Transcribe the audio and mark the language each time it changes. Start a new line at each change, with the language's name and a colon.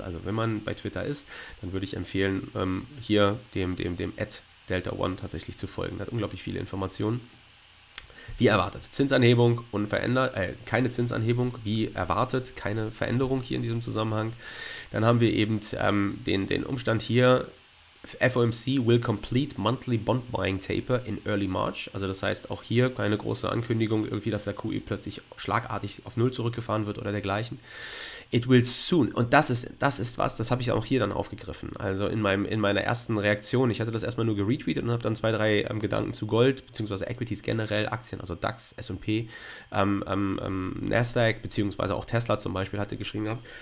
German: Also wenn man bei Twitter ist, dann würde ich empfehlen, hier dem @Delta1 tatsächlich zu folgen. Der hat unglaublich viele Informationen. Wie erwartet, Zinsanhebung unverändert, keine Zinsanhebung, wie erwartet, keine Veränderung hier in diesem Zusammenhang. Dann haben wir eben den Umstand hier,
English: FOMC will complete monthly bond buying taper in early March.
German: Also das heißt auch hier keine große Ankündigung, irgendwie, dass der QE plötzlich schlagartig auf null zurückgefahren wird oder dergleichen.
English: It will soon.
German: Und das ist was, das habe ich auch hier dann aufgegriffen. Also in meiner ersten Reaktion, ich hatte das erstmal nur geretweetet und habe dann zwei, drei Gedanken zu Gold, beziehungsweise Equities generell, Aktien, also DAX, S&P, Nasdaq, beziehungsweise auch Tesla zum Beispiel hatte geschrieben gehabt.